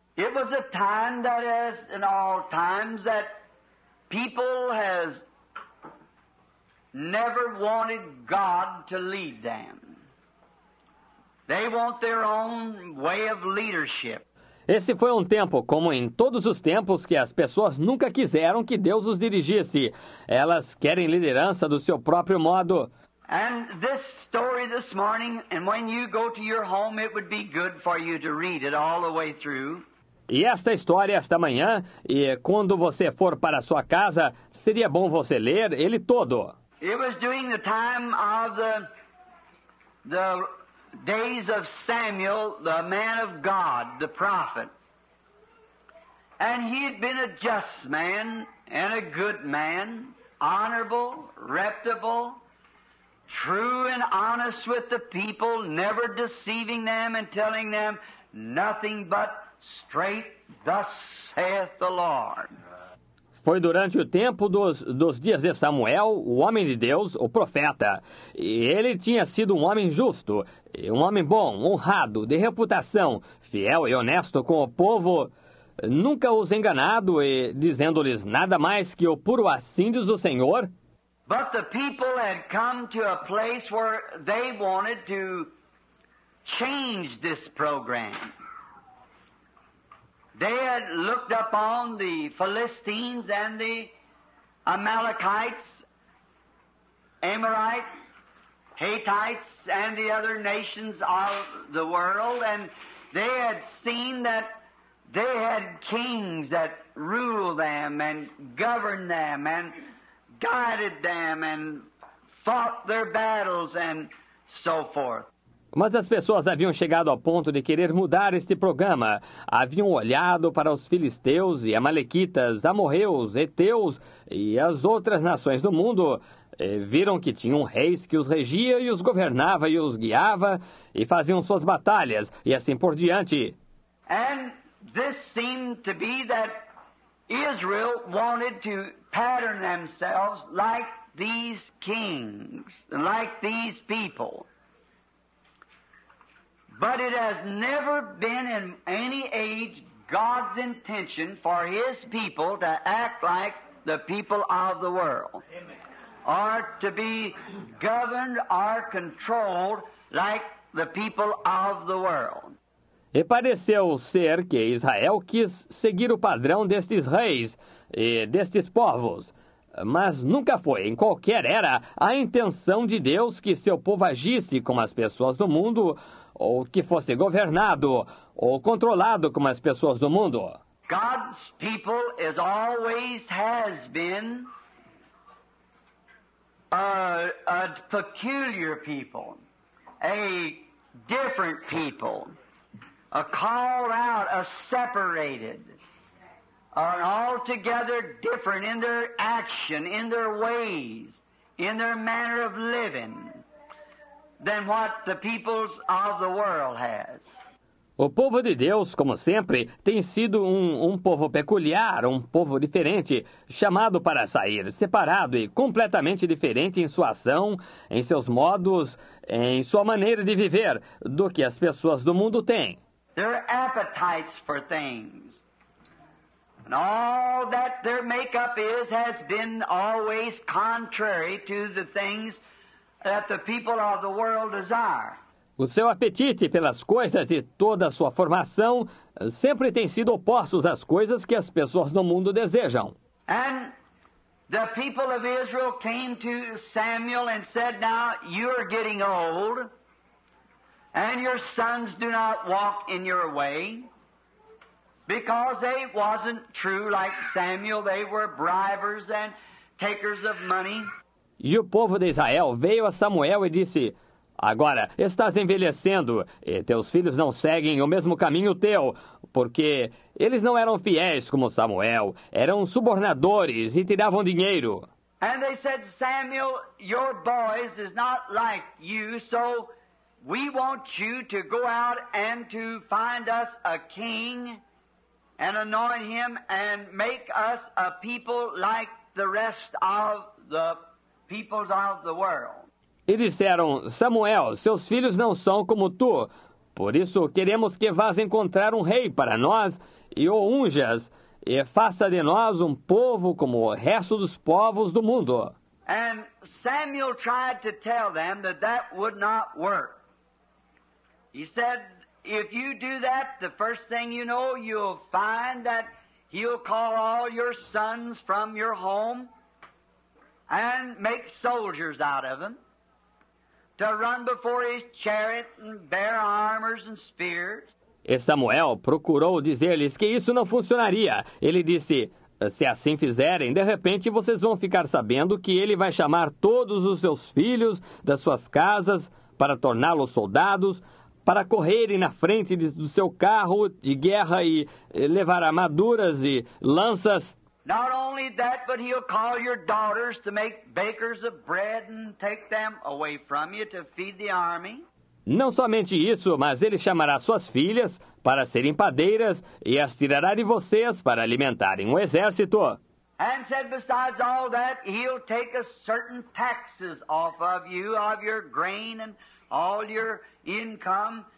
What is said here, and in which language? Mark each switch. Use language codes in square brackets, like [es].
[en] It was a time that is in all times that people has never wanted God to lead them. They want their own way of leadership. [pt] Esse foi um tempo, como em todos os tempos, que as pessoas nunca quiseram que Deus os dirigisse. Elas querem liderança do seu próprio modo. [en] And this story this morning, and when you go to your home, it would be good for you to read it all the way through. [pt] E esta história esta manhã, e quando você for para sua casa, seria bom você ler ele todo. [en] It was during the time of the days of Samuel, the man of God, the prophet. And he had been a just man and a good man, honorable, reputable, true and honest with the people, never deceiving them and telling them nothing but straight, thus saith the Lord. [pt] Foi durante o tempo dos dias de Samuel, o homem de Deus, o profeta. E ele tinha sido um homem justo, um homem bom, honrado, de reputação, fiel e honesto com o povo, nunca os enganado e dizendo-lhes nada mais que o puro assim diz o Senhor. [en] But the people had come to a place where they wanted to change this program. They had looked upon the Philistines and the Amalekites, Amorites, Hittites, and the other nations of the world, and they had seen that they had kings that ruled them and governed them and guided them and fought their battles and so forth. [pt] Mas as pessoas haviam chegado ao ponto de querer mudar este programa. Haviam olhado para os filisteus e amalequitas, amorreus, heteus e as outras nações do mundo. E viram que tinham reis que os regia e os governava e os guiava e faziam suas batalhas e assim por diante. [en] And this seemed to be that Israel wanted to pattern themselves like these kings, like these people. But it has never been in any age God's intention for His people to act like the people of the world. Amen. Or to be governed or controlled like the people of the world. [pt] E pareceu ser que Israel quis seguir o padrão destes reis e destes povos. Mas nunca foi, em qualquer era, a intenção de Deus que seu povo agisse como as pessoas do mundo, ou que fosse governado ou controlado como as pessoas do mundo. [en] God's people is always has been a peculiar people, a different people, a called out, a separated, an altogether different in their action, in their ways, in their manner of living than what the peoples of the world has. [pt] O povo de Deus, como sempre, tem sido um povo peculiar, um povo diferente, chamado para sair, separado e completamente diferente em sua ação, em seus modos, em sua maneira de viver, do que as pessoas do mundo têm. [en] Their appetites for things. And all that their makeup is has been always contrary to the things that the people of the world desire. [pt] O seu apetite pelas coisas e toda a sua formação sempre tem sido opostos às coisas que as pessoas no mundo desejam. [en] And the people of Israel came to Samuel and said, "Now you're getting old, and your sons do not walk in your way," because they wasn't true like Samuel. They were bribers and takers of money. [pt] E o povo de Israel veio a Samuel e disse: "Agora, estás envelhecendo, e teus filhos não seguem o mesmo caminho teu, porque eles não eram fiéis como Samuel, eram subornadores e tiravam dinheiro." [en] And they said, "Samuel, your boys is not like you, so we want you to go out and to find us a king and anoint him and make us a people like the rest of the peoples of the world." [pt] E disseram: "Samuel, seus filhos não são como tu, por isso queremos que vás encontrar um rei para nós e o unjas, e faça de nós um povo como o resto dos povos do mundo." [en] And Samuel tried to tell them that that would not work. He said, "If you do that, the first thing you know, you'll find that he'll call all your sons from your home and make soldiers out of them, to run before his chariot and bear armors and spears." [pt] E Samuel procurou dizer-lhes que isso não funcionaria. Ele disse: "Se assim fizerem, de repente vocês vão ficar sabendo que ele vai chamar todos os seus filhos das suas casas para torná-los soldados, para correrem na frente do seu carro de guerra e levar armaduras e lanças." [en] Not only that, but he'll call your daughters to make bakers of bread and take them away from you to feed the army. [pt] Não somente isso, mas ele chamará suas filhas para serem padeiras e as tirará de vocês para alimentarem o exército. [en] And said, besides all that, he'll take a certain taxes off of you, of your grain and all your income.